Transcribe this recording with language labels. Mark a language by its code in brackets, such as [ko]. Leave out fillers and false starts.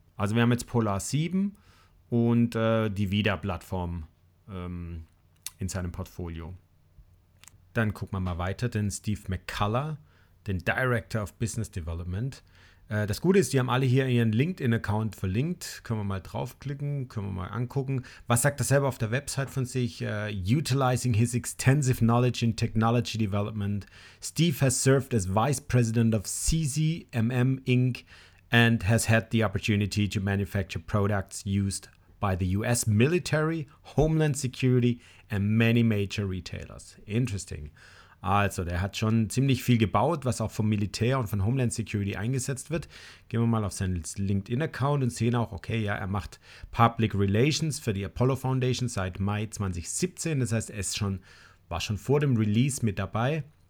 [de] Also wir haben jetzt Polar 7 und die Veda-Plattform in seinem Portfolio. Dann gucken wir mal weiter, den Steve McCullough, den Director of Business Development. Das Gute ist, die haben alle hier ihren LinkedIn-Account verlinkt. Können wir mal draufklicken, können wir mal angucken. Was sagt er selber auf der Website von sich? [en] Utilizing his extensive knowledge in technology development, Steve has served as Vice President of CZMM Inc. and has had the opportunity to manufacture products used by the US military, Homeland Security and many major retailers. Interesting. [de] Also, der hat schon ziemlich viel gebaut, was auch vom Militär und von Homeland Security eingesetzt wird. Gehen wir mal auf seinen LinkedIn-Account und sehen auch, okay, ja, er macht Public Relations für die Apollo Foundation seit Mai 2017. Das heißt, er ist schon, war schon vor dem Release mit dabei.